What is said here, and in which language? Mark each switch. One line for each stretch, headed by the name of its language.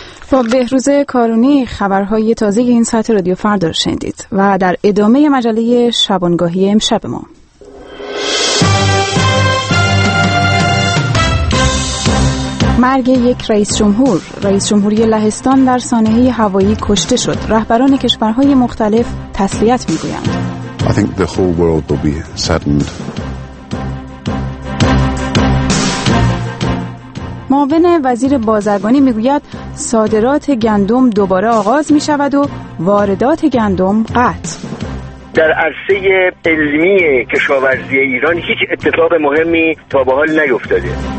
Persian: با بهروز کارونی خبرهای تازه این ساعت رادیو فردا شنیدید و در ادامه مجله شبانگاهی امشب ما. مرگ یک رئیس جمهور. رئیس جمهوری لهستان در سانحه هوایی کشته شد. رهبران کشورهای مختلف تسلیت می‌گویند.
English: I think the whole world will be saddened.
Persian: معاون وزیر بازرگانی می‌گوید صادرات گندم دوباره آغاز می‌شود و واردات گندم قطع. در عرصه علمی کشاورزی ایران هیچ اتفاق مهمی تا به حال نیفتاده.